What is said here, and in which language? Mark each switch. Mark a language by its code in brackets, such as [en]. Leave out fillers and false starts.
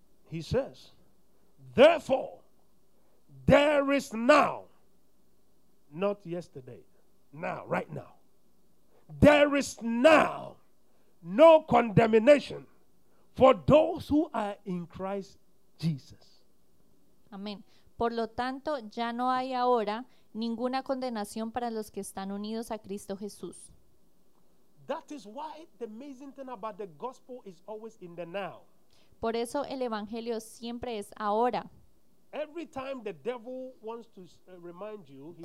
[en] He says, therefore, there is now, not yesterday, now, right now, there is now no condemnation for those who are in Christ Jesus. [es] Amén. Por lo tanto, ya no hay ahora ninguna condenación para los que están unidos a Cristo Jesús. [en] That is why the amazing thing about the gospel is always in the now. [es] Por eso el evangelio siempre es ahora. [en] Every time the devil wants to remind you, he